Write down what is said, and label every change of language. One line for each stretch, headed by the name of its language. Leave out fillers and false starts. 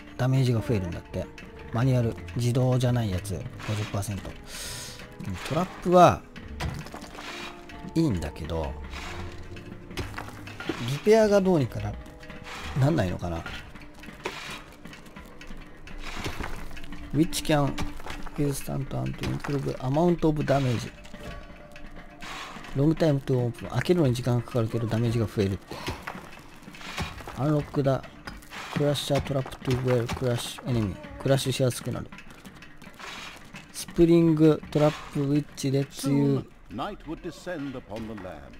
Japanese: ダメージが増えるんだって。マニュアル、自動じゃないやつ 50%。トラップは、いいんだけど、リペアがどうにかな、なんないのかな。
English: Which can withstand and improve amount of damage?
Japanese: ロングタイムとオープン。開けるのに時間がかかるけどダメージが増えるって。アンロックだ。
English: クラッシャートラップトゥーウェルクラッシュエネミー。
Japanese: クラッシュしやすくなる。
English: スプリングトラップウィッチレッツユー。